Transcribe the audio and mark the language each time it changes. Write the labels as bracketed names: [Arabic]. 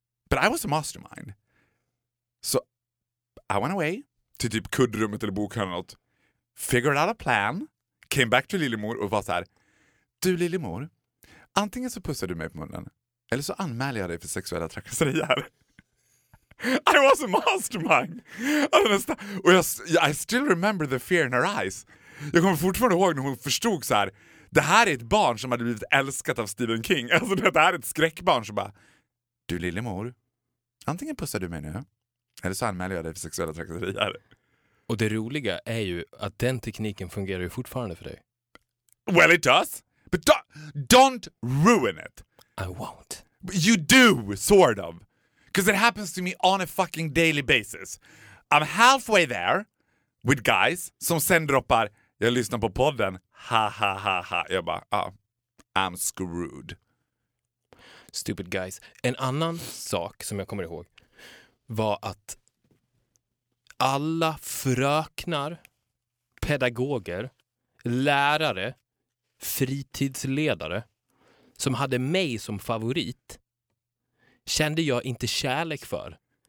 [English] But I was a mastermind. So I went away [Swedish] till typ kuddrummet eller bokhörnan och något, [English] figured out a plan, came back to [Swedish] Lillemor och var så här: du Lillemor, antingen så pussar du mig på munnen eller så anmäler jag dig för sexuella trakasserier. [English] I was a mastermind. Och I still remember the fear in her eyes. [Swedish] Jag kommer fortfarande ihåg när hon förstod så här. Det här är ett barn som hade blivit älskat av Stephen King. Alltså det här är ett skräckbarn som bara, du Lillemor, Antingen pussar du mig nu, eller så anmäler jag dig för sexuella trakasserier. Och det roliga är ju att den tekniken fungerar ju fortfarande för dig. [English] Well, it does. But don't ruin it. I won't. But you do, sort of. Because it happens to me on a fucking daily basis. I'm halfway there with guys [Swedish] som sen droppar, jag lyssnar på podden, ha ha ha ha. Jag bara, [English] I'm screwed. Stupid guys. [Swedish] En annan sak som jag kommer ihåg var att alla fröknar, pedagoger, lärare, fritidsledare som hade mig som favorit kände jag inte kärlek för.